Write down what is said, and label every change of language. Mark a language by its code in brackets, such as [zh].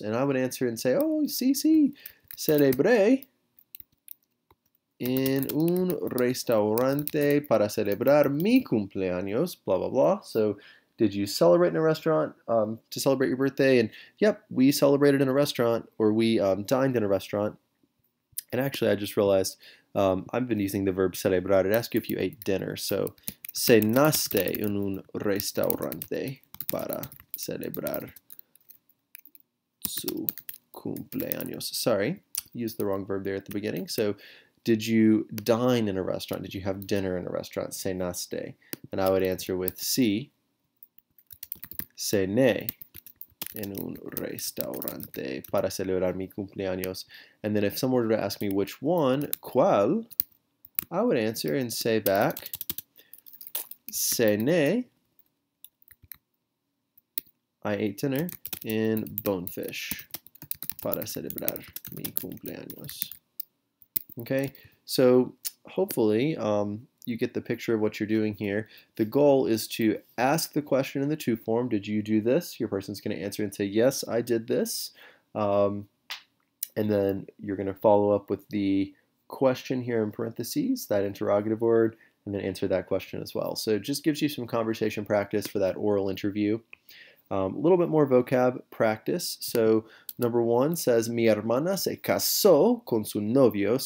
[en] And I would answer and say, oh, [es] sí, sí, celebré en un restaurante para celebrar mi cumpleaños, blah, blah, blah. [en] So did you celebrate in a restaurant to celebrate your birthday? And yep, we celebrated in a restaurant, or we dined in a restaurant. And actually, I just realized I've been using the verb celebrar. It asks you if you ate dinner. [es] So, cenaste en un restaurante para celebrar su cumpleaños. [en] Sorry, used the wrong verb there at the beginning. So, did you dine in a restaurant? Did you have dinner in a restaurant? Cenaste. And I would answer with [es] si, cené en un restaurante para celebrar mi cumpleaños. [en] And then if someone were to ask me which one, cuál, I would answer and say back, cené. I ate dinner in Bonefish [es] para celebrar mi cumpleaños. [en] Okay, so hopefully you get the picture of what you're doing here. The goal is to ask the question in the to form, did you do this? Your person's going to answer and say, yes, I did this. And then you're going to follow up with the question here in parentheses, that interrogative word, and then answer that question as well. So it just gives you some conversation practice for that oral interview. A little bit more vocab practice. So number one says, [es] mi hermana se casó con su novio.